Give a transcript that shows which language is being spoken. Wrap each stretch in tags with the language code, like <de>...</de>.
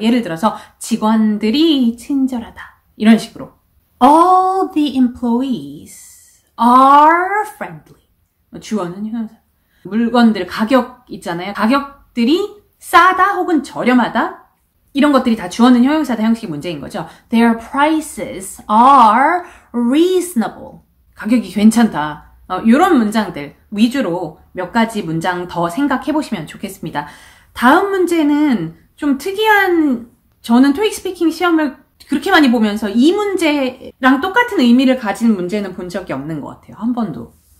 <ko>예를 들어서 직원들이 친절하다 이런 식으로</ko> <en>All the employees are friendly.</en> <ko>주어는 형용사. 물건들 가격 있잖아요. 가격들이 싸다 혹은 저렴하다 이런 것들이 다 주어는 형용사다 형식의 문제인 거죠.</ko> <en>Their prices are reasonable.</en> <ko>가격이 괜찮다. 이런 문장들 위주로 몇 가지 문장 더 생각해 보시면 좋겠습니다. 다음 문제는 좀 특이한 저는 토익 스피킹 시험을 그렇게 많이 보면서 이 문제랑 똑같은 의미를 가진 문제는 본 적이 없는 것 같아요. 한 번도.</ko>